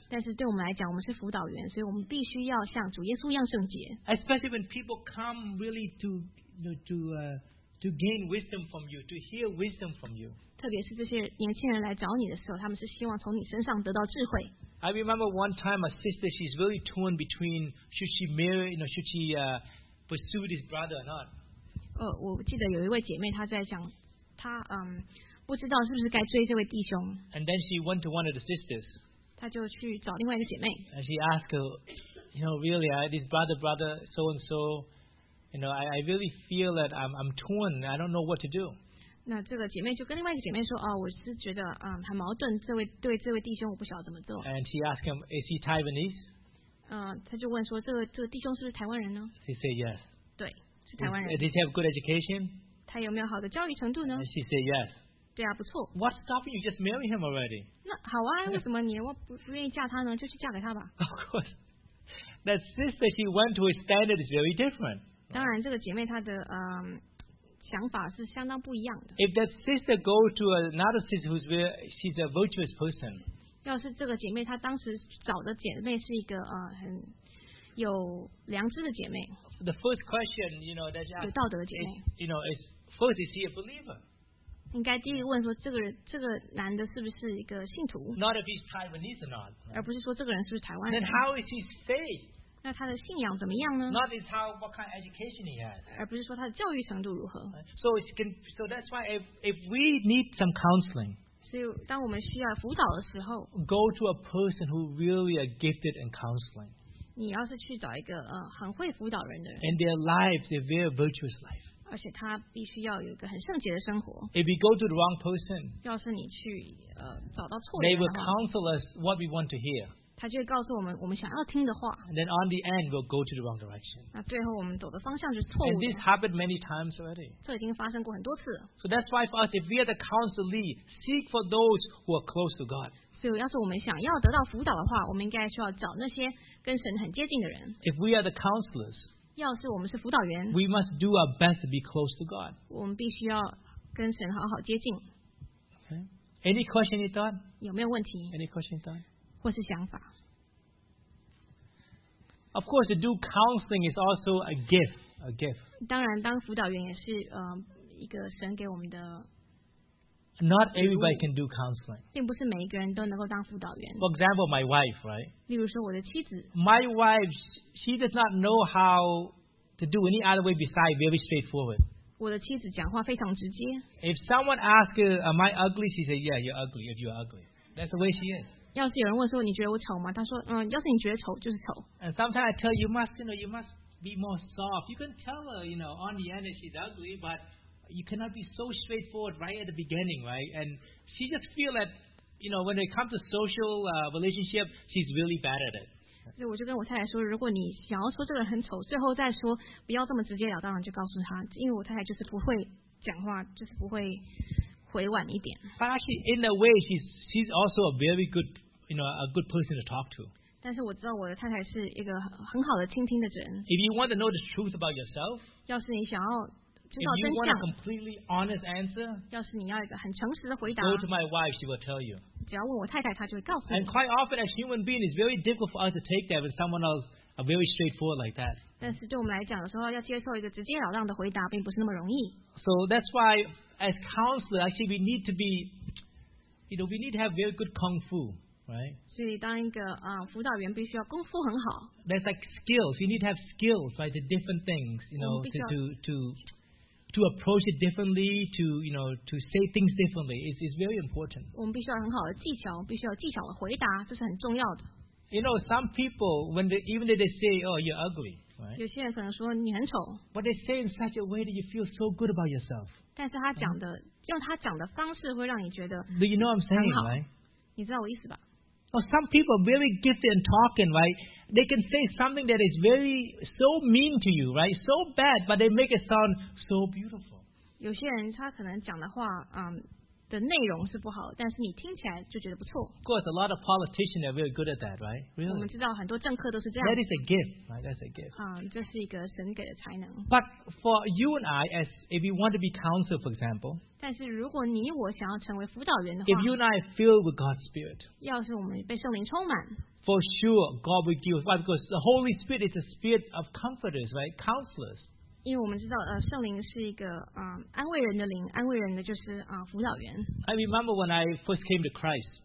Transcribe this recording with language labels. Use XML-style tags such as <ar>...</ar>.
<zh>但是对我们来讲，我们是辅导员，所以我们必须要像主耶稣一样圣洁。</zh> <en>Especially when people come really to, you know, to gain wisdom from you, to hear wisdom from you.</en> <zh>特别是这些年轻人来找你的时候，他们是希望从你身上得到智慧。</zh> <en>I remember one time a sister, she's really torn between should she marry, you know, should she pursue this brother or not.</en> <zh>我记得有一位姐妹她在想，她不知道是不是该追这位弟兄。</zh> <en>And then she went to one of the sisters.</en> <zh>她就去找另外一个姐妹。</zh> <en>And she asked her, you know, really, this brother so and so, you know, I really feel that I'm torn. I don't know what to do.</en> <zh>那这个姐妹就跟另外一个姐妹说，哦，我是觉得很矛盾，这位对这位弟兄我不晓得怎么做。</zh> <en>And she asked him, is he Taiwanese?</en> <zh>她就问说，这个弟兄是不是台湾人呢？</zh> <en>She said yes.</en> <zh>对，是台湾人。</zh> <en>Did he have good education?</en> <zh>他有没有好的教育程度呢？</zh> <en>She said yes.</en> <zh>对啊，不错。</zh> <en>What's stopping you? Just marry him already.</en> <zh>那好啊，为什么你我不愿意嫁他呢？就去嫁给他吧。</zh> <en>Of course, that sister she went to his standard is very different.</en> <zh>当然，这个姐妹她的想法是相当不一样的。</zh> <en>If that sister go to another sister who's very, she's a virtuous person.</en> <zh>要是这个姐妹她当时找的姐妹是一个很有良知的姐妹。</zh> <en>The first question, you know, that's asked,</en> <zh>有道德的姐妹。</zh> <en>You know, is first is he a believer?</en> <zh>应该第一个问说这个男的是不是一个信徒</zh> <en>？Not if he's Taiwanese or not，</en> <zh>而不是说这个人是不是台湾人</zh> <en>？Then how is his faith？</en> <zh>那他的信仰怎么样呢</zh> <en>？Not is how what kind of education he has，</en> <zh>而不是说他的教育程度如何</zh> <en>？So it can so that's why if we need some counseling，</en> <zh>所以当我们需要辅导的时候</zh> <en>，go to a person who really are gifted in counseling。</en> <zh>你要是去找一个很会辅导人的人</zh> <en>，and their lives they're very virtuous life。</en> <zh>而且他必须要有一个很圣洁的生活。</zh> <en>If we go to the wrong person,</en> <zh>要是你去找到错人的话</zh> <en>，they will counsel us what we want to hear.</en> <zh>他就会告诉我们想要听的话。</zh> <en>And then on the end, we'll go to the wrong direction.</en> <zh>那最后我们走的方向就是错误的。</zh> <en>And this happened many times already.</en> <zh>这已经发生过很多次。</zh> <en>So that's why for us, if we are the counselee, seek for those who are close to God.</en> <zh>所以要是我们想要得到辅导的话，我们应该需要找那些跟神很接近的人。</zh> <en>If we are the counselors.</en> <zh>要是我们是辅导员</zh> <en>，We must do our best to be close to God.</en> <zh>我们必须要跟神好好接近。</zh> <en>Okay. Any question, any thought?</en> <zh>有没有问题</zh> <en>？Any question, any thought?</en> <zh>或是想法</zh> <en>？Of course, to do counseling is also a gift. A gift.</en> <zh>当然，当辅导员也是一个神给我们的。</zh> <en>Not everybody can do counseling.</en> <zh>并不是每一个人都能够当辅导员。</zh> <en>For example, my wife, right?</en> <zh>例如说我的妻子。</zh> <en>My wife, she does not know how to do any other way besides very straightforward.</en> <zh>我的妻子讲话非常直接。</zh> <en>If someone asks her, "Am I ugly?" she says, "Yeah, you're ugly. If you're ugly, that's the way she is."</en> <zh>要是有人问说你觉得我丑吗？她说，要是你觉得丑就是丑。</zh> <en>And sometimes I tell you, must you know, you must be more soft. You can tell her, you know, on the end that she's ugly, but. You cannot be so straightforward right at the beginning, right? And she just feels that, you know, when it comes to social relationship, she's really bad at it.</en> <zh>所以我就跟我太太说，如果你想要说这个人很丑，最后再说，不要这么直接了当，就告诉他，因为我太太就是不会讲话，就是不会委婉一点。</zh> <en>But actually, in a way, she's also a very good, you know, a good person to talk to.</en> <zh>但是我知道我的太太是一个很好的倾听的人。</zh> <en>If you want to know the truth about yourself,</en> <zh>要是你想要知道真相，</zh> <en>If you want a completely honest answer,</en> <zh>要是你要一个很诚实的回答</zh> <en>，Go to my wife, she will tell you.</en> <zh>只要问我太太，她就会告诉你。</zh> <en>And quite often, as human beings, it's very difficult for us to take that when someone else are very straightforward like that.</en> <zh>但是对我们来讲的时候，要接受一个直截了当的回答，并不是那么容易。</zh> <en>So that's why, as counselors, actually, we need to be, you know, we need to have very good kung fu. Right.</en> <zh>所以当一个辅导员必须要功夫很好。</zh> <en>There's like skills. You need to have skills, right? The different things, you know, to approach it differently, to you know, to say things differently. It's very important.</en> <zh>我们必须要很好的技巧，必须要技巧的回答，这是很重要的。</zh> <en>You know, some people when they say, "Oh, you're ugly," right?</en> <zh>有些人可能说你很丑。</zh> <en>But they say in such a way that you feel so good about yourself.</en> <zh>但是他讲的、用他讲的方式会让你觉得很好。</zh> <en>But you know what I'm saying, right?</en> <zh>你知道我意思吧？</zh> <en>Well, some people are very gifted in talking, right? They can say something that is very so mean to you, right? So bad, but they make it sound so beautiful.</en> <zh>有些人他可能讲的话，的内容是不好，但是你听起来就觉得不错。</zh> <en>Of course, a lot of politicians are very good at that, right? Really?</en> <zh>我们知道很多政客都是这样。</zh> <en>That is a gift, right? That's a gift.</en> <zh>这是一个神给的才能。</zh> <en>But for you and I, as if you want to be counsel, for example.</en> <zh>但是如果你我想要成为辅导员的话。</zh> <en>If you and I fill with God's Spirit.</en> <zh>要是我们被圣灵充满。</zh> <en>For sure, God will give. Why? Because the Holy Spirit is a spirit of comforters, right? Counselors.</en> <zh>因为我们知道，圣灵是一个安慰人的灵，安慰人的就是辅导员。</zh> <en>I remember when I first came to Christ.</en>